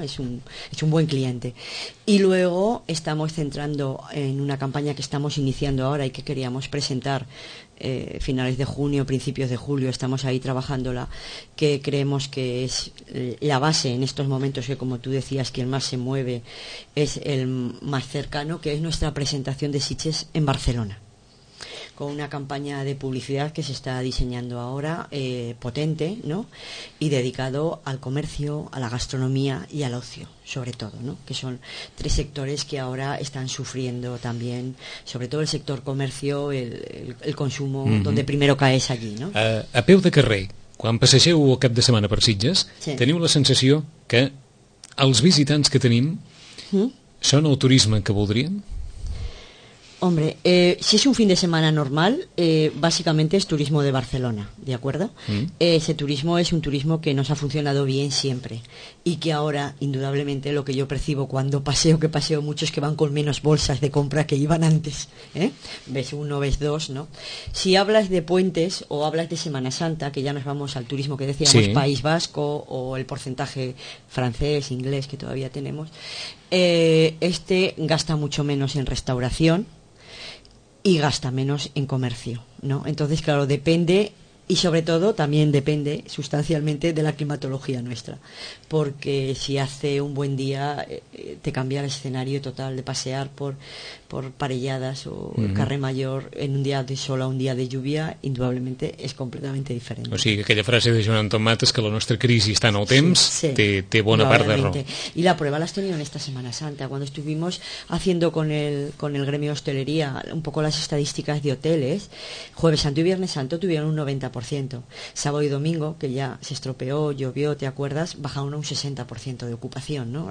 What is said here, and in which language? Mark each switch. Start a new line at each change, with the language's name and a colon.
Spanish: Es un buen cliente. Y luego estamos centrando en una campaña que estamos iniciando ahora y que queríamos presentar finales de junio, principios de julio, estamos ahí trabajándola, que creemos que es la base en estos momentos, que como tú decías, quien más se mueve es el más cercano, que es nuestra presentación de Sitges en Barcelona, con una campaña de publicidad que se está diseñando ahora, potente, ¿no? Y dedicado al comercio, a la gastronomía y al ocio, sobre todo, ¿no? Que son tres sectores que ahora están sufriendo también, sobre todo el sector comercio, el consumo, donde primero caes allí, ¿no?
Catalan: A peu de carrer, quan passegeu el cap de setmana per Sitges, sí, teniu la sensació que els visitants que tenim són el turisme que voldrien?
Spanish: Hombre, si es un fin de semana normal, básicamente es turismo de Barcelona, ¿de acuerdo? Ese turismo es un turismo que nos ha funcionado bien siempre y que ahora, indudablemente, lo que yo percibo cuando paseo, que paseo mucho, es que van con menos bolsas de compra que iban antes, ¿eh? Ves uno, ves dos, ¿no? Si hablas de puentes o hablas de Semana Santa, que ya nos vamos al turismo que decíamos, sí, País Vasco o el porcentaje francés, inglés que todavía tenemos, este gasta mucho menos en restauración y gasta menos en comercio, ¿no? Entonces, claro, depende, y sobre todo también depende sustancialmente de la climatología nuestra, porque si hace un buen día te cambia el escenario total de pasear por Parelladas o Carre Mayor en un día de sol a un día de lluvia, indudablemente es completamente diferente.
Catalan: O sigui, aquella frase de Joan Tomàs és que la nostra crisi està en el temps, sí, sí, té bona part de raó.
Spanish: Y la prueba la has tenido en esta Semana Santa, cuando estuvimos haciendo con el gremio hostelería un poco las estadísticas de hoteles, Jueves Santo y Viernes Santo tuvieron un 90%, sábado y domingo, que ya se estropeó, llovió, ¿te acuerdas?, bajaron a un 60% de ocupación, ¿no?